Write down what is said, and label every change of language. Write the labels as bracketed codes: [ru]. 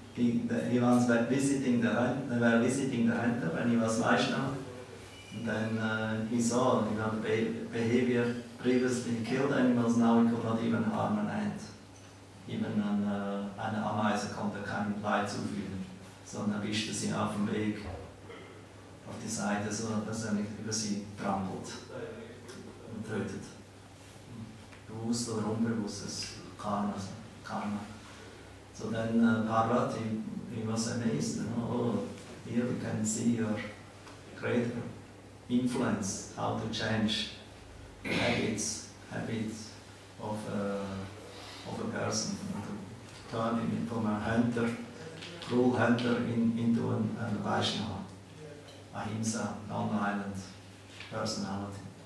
[en] They were visiting the hunter when he was Vaishnava. And then he saw, you know, the behavior previously, he killed animals, now he could not even harm an ant. Even an [de] Ameise konnte kein Leid zufügen, sondern er wischte sie auf dem Weg, auf die Seite, so dass er nicht über sie trampelt und tötet. Bewusst oder unbewusstes Karma. [en] So then Parvati, he was amazed, you know, oh, here we can see your great influence, how to change habits of a person, you know, to turn him from a hunter, cruel hunter, into a Vaishnava, Ahimsa, non-violent personality.